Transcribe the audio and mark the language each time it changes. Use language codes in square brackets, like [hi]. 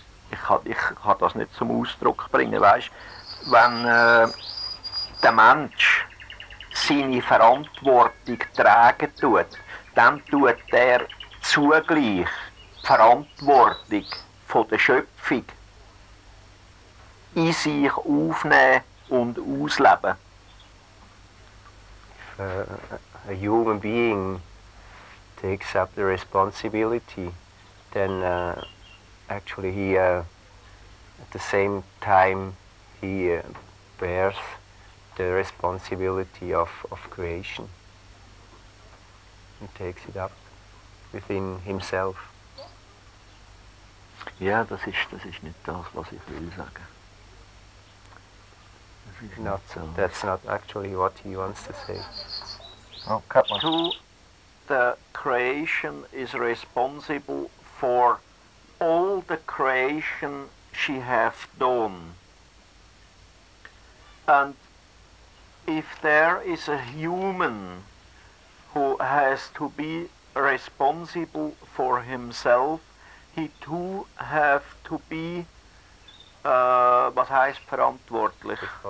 [de] Ich kann das nicht zum Ausdruck bringen, weißt? Wenn der Mensch seine Verantwortung tragen tut, dann tut er zugleich die Verantwortung von der Schöpfung in sich aufnehmen und ausleben. [en] If a human being takes up the responsibility, then actually he, at the same time, he bears the responsibility of creation. He takes it up within himself. [de] Ja, das ist nicht das, was ich will sagen. [en] That's not actually what he wants to say. Oh, cut one. To the creation is responsible for all the creation she has done. And if there is a human who has to be responsible for himself, he too have to be [de] was heißt verantwortlich?